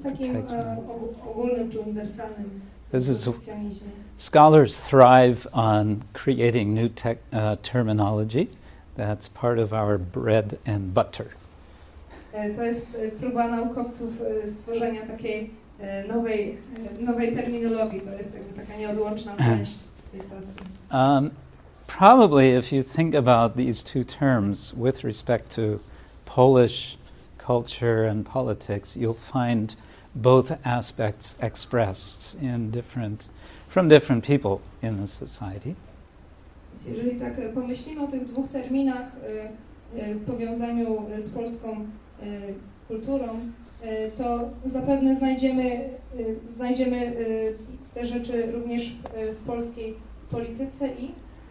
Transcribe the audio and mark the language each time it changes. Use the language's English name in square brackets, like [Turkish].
[Polish] takim ogólnym czy uniwersalnym. [English] This is scholars thrive on creating new terminology. That's part of our bread and butter. [Polish] To jest próba naukowców stworzenia takiej nowej terminologii. To jest jakby taka nieodłączna część tej pracy. [English] Probably, if you think about these two terms with respect to Polish culture and politics, you'll find both aspects expressed from different people in the society. [Polish] Jeżeli tak pomyślimy o tych dwóch terminach w powiązaniu z polską kulturą, to zapewne znajdziemy te rzeczy również w polskiej polityce i